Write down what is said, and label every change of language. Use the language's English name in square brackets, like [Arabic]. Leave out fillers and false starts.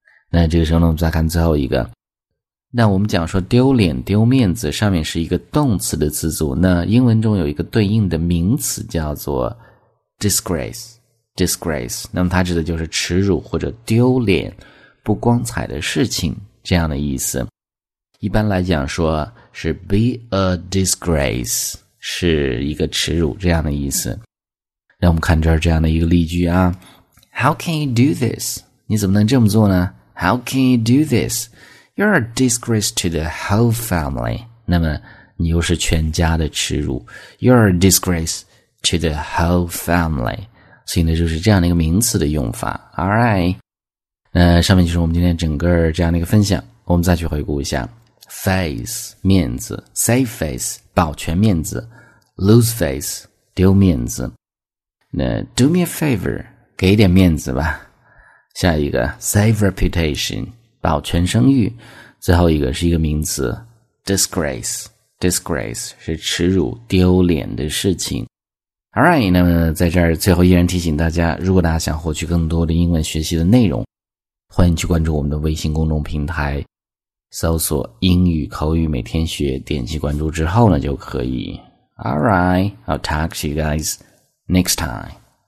[Chinese] 那这个时候呢我们再看最后一个。那我们讲说丢脸丢面子上面是一个动词的词组那英文中有一个对应的名词叫做 disgrace, disgrace, 那么它指的就是耻辱或者丢脸不光彩的事情这样的意思。一般来讲说是 be a disgrace, 是一个耻辱这样的意思。那我们看这儿这样的一个例句啊。 [English] How can you do this? [Chinese] 你怎么能这么做呢? [English] How can you do this? You're a disgrace to the whole family. [Chinese] 那么你又是全家的耻辱。 [English] You're a disgrace to the whole family. [Chinese] 所以呢就是这样的一个名词的用法。 [English] Alright. [Chinese] 那上面就是我们今天整个这样的一个分享。我们再去回顾一下。Face, 面子。 [English] Save face, [Chinese] 保全面子。 [English] Lose face, [Chinese] 丢面子。 [English] 那 Do me a favor. [Chinese] 给点面子吧下一个 [English] save reputation [Chinese] 保全声誉最后一个是一个名词 disgrace disgrace 是耻辱丢脸的事情 [English] Alright, [Chinese] 那么在这儿最后依然提醒大家，如果大家想获取更多的英文学习的内容，欢迎去关注我们的微信公众平台，搜索英语口语每天学，点击关注之后呢就可以。 [English] Alright, I'll talk to you guys next time.